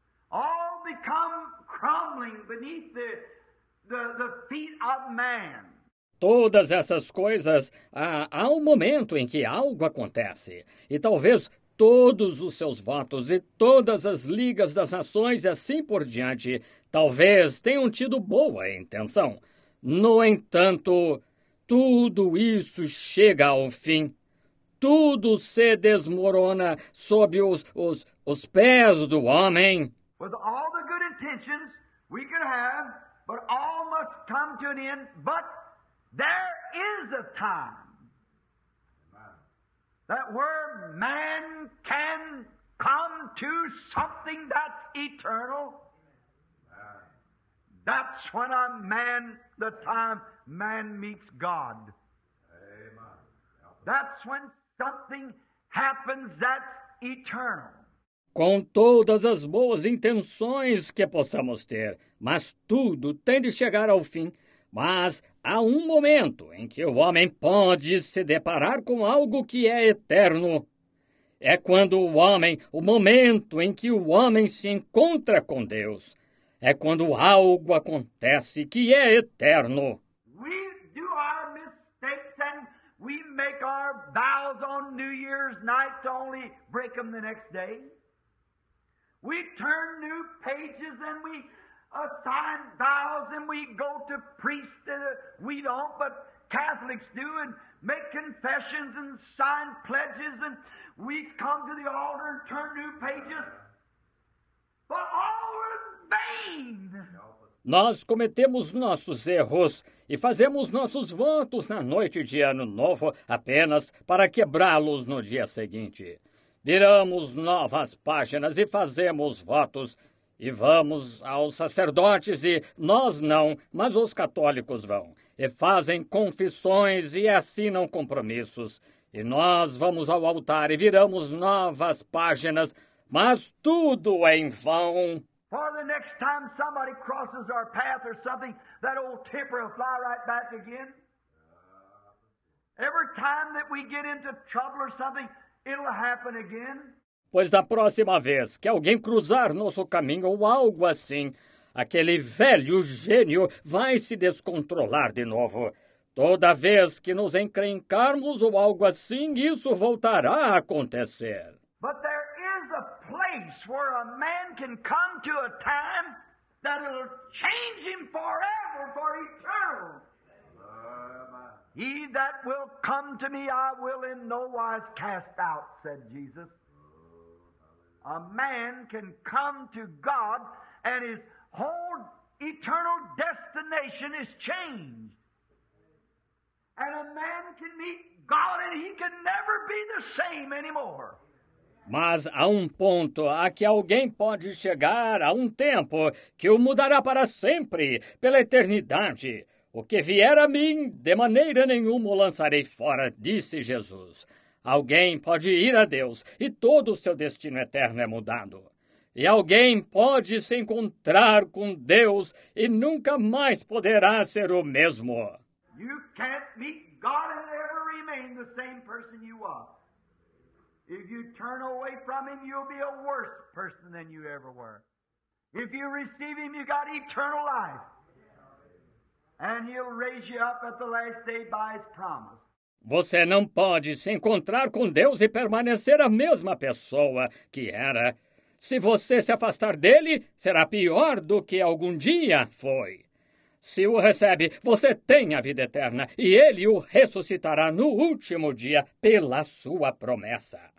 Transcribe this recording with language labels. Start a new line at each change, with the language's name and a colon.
English: All become crumbling beneath the feet of man.
Portuguese: Todas essas coisas, há um momento em que algo acontece. E talvez todos os seus votos e todas as ligas das nações e assim por diante talvez tenham tido boa intenção. No entanto, tudo isso chega ao fim. Tudo se desmorona sob os pés do homem.
English: With all the good intentions we could have, but all must come to an end, but there is a time. That where man can come to something that's eternal, that's when a man, the time man meets God. Amen. That's when something happens that's eternal.
Portuguese: Com todas as boas intenções que possamos ter, mas tudo tem de chegar ao fim. Mas há um momento em que o homem pode se deparar com algo que é eterno. É quando o momento em que o homem se encontra com Deus, é quando algo acontece que é eterno.
English: We do our mistakes and we make our vows on New Year's night to only break them the next day. We turn new pages and we assign vows and we go to priests that we don't, but Catholics do, and make confessions and sign pledges, and we come to the altar and turn new pages. But all are vain.
Portuguese: Nós cometemos nossos erros e fazemos nossos votos na noite de Ano Novo apenas para quebrá-los no dia seguinte. Viramos novas páginas e fazemos votos e vamos aos sacerdotes e nós não, mas os católicos vão. E fazem confissões e assinam compromissos. E nós vamos ao altar e viramos novas páginas, mas tudo é em vão.
English: For the next time somebody crosses our path or something, that old temper will fly right back again. Every time that we get into trouble or something, it'll happen again.
Portuguese: Pois da próxima vez que alguém cruzar nosso caminho ou algo assim, aquele velho gênio vai se descontrolar de novo. Toda vez que nos encrencarmos ou algo assim, isso voltará a acontecer.
English: But there is a place where a man can come to a time that it'll change him forever, for eternal. He that will come to me, I will in no wise cast out, said Jesus. A man can come to God and his whole eternal destination is changed. And a man can meet God and he can never be the same anymore.
Portuguese: Mas há um ponto a que alguém pode chegar, há um tempo que o mudará para sempre, pela eternidade. O que vier a mim, de maneira nenhuma o lançarei fora, disse Jesus. Alguém pode ir a Deus e todo o seu destino eterno é mudado. E alguém pode se encontrar com Deus e nunca mais poderá ser o mesmo.
English: You can't meet God and ever remain the same person you are. If you turn away from him, you'll be a worse person than you ever were. If you receive him, you got eternal life. And he'll raise you up at the last day by his promise.
Portuguese: Você não pode se encontrar com Deus e permanecer a mesma pessoa que era. Se você se afastar dele, será pior do que algum dia foi. Se o recebe, você tem a vida eterna e ele o ressuscitará no último dia pela sua promessa.